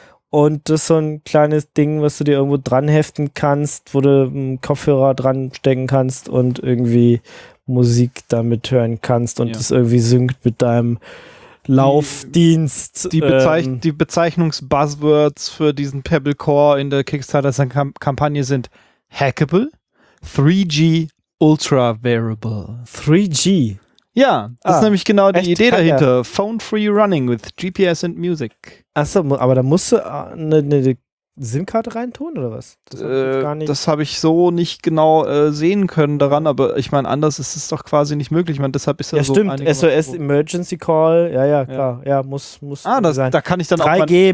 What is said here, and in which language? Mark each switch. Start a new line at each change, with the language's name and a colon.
German: Und das ist so ein kleines Ding, was du dir irgendwo dran heften kannst, wo du Kopfhörer dran stecken kannst und irgendwie Musik damit hören kannst und das irgendwie synkt mit deinem Laufdienst. Die Bezeichnungs-Buzzwords für diesen Pebble Core in der Kickstarter-Kampagne sind Hackable, 3G Ultra Wearable. 3G? Ja, das ist nämlich genau die Idee dahinter.
English: Phone-free running with GPS and music.
German: Achso, aber da musst du eine SIM-Karte reintun oder was? Das habe ich so nicht genau sehen können daran, aber ich meine, anders ist es doch quasi nicht möglich. Ich meine, deshalb ist ja so stimmt, SOS Emergency Call, ja, klar. Ja, muss das sein. Da kann ich dann 3G,